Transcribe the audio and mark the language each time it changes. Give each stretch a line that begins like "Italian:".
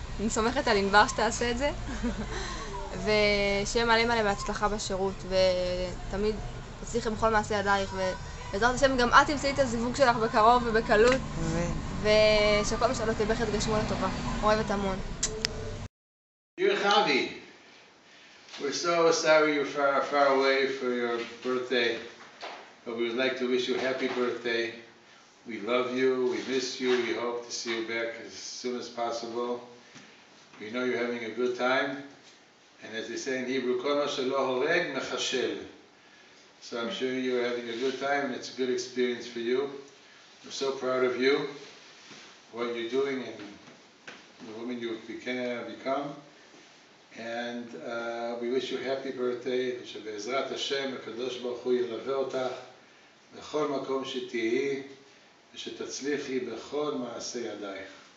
Hebrew: אני סומכת על ענבר שתעשה את זה. ושיהיה מלא מלא בהצלחה בשירות, ותמיד תצליחי בכל מעשה ידייך, ובעזרת השם גם את תמצאי את הזיווג שלך בקרוב ובקלות. ושכל משאלות ליבך יתגשמו לטובה. אוהבת המון.
English: Dear Javi, we're so sorry you're far, far away for your birthday, but we would like to wish you a happy birthday. We love you, we miss you, we hope to see you back as soon as possible. We know you're having a good time, and as they say in Hebrew,
Hebrew: כל מה שלא הורג מחשל.
English: So I'm sure you're having a good time, and it's a good experience for you. I'm so proud of you. What you're doing and the woman you become. And we wish you a happy birthday.
Hebrew: שבעזרת השם, הקדוש ברוך הוא ילווה אותך בכל מקום שתהיי, ושתצליחי בכל מעשה ידייך.